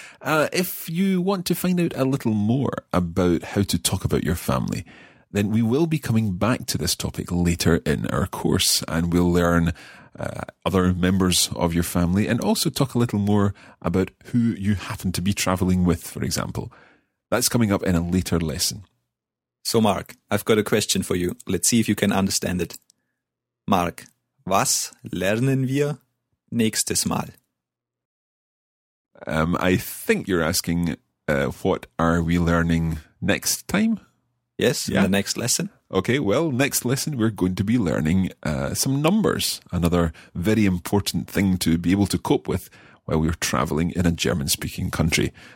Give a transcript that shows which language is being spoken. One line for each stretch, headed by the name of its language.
English: If you want to find out a little more about how to talk about your family, then we will be coming back to this topic later in our course, and we'll learn other members of your family and also talk a little more about who you happen to be traveling with, for example. That's coming up in a later lesson. So, Mark, I've got a question for you. Let's see if you can understand it.
German: Mark, was lernen wir nächstes Mal?
English: I think you're asking, what are we learning next time? Yes, yeah. In the next lesson. Okay, well, next lesson we're going to be learning some numbers, another very important thing to be able to cope with while we're traveling in a German-speaking country.